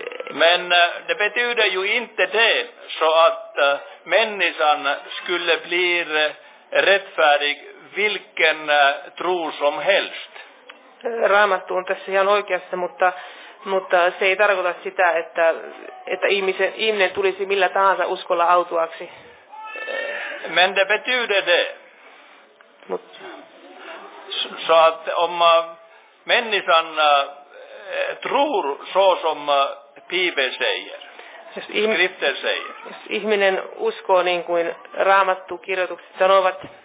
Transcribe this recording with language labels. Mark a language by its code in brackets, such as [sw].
[sv] Men det betyder ju inte det så att människan skulle bli rättfärdig vilken tro som helst. [fi] Raamattu on tässä ihan oikeassa, mutta se ei tarkoita sitä, että ihminen tulisi millä tahansa uskolla autuaksi. [sv] Men det betyder det. Så att om människan tror så som Bibel säger, skriften säger. [fi] Jos ihminen uskoo niin kuin raamattu kirjoitukset sanovat.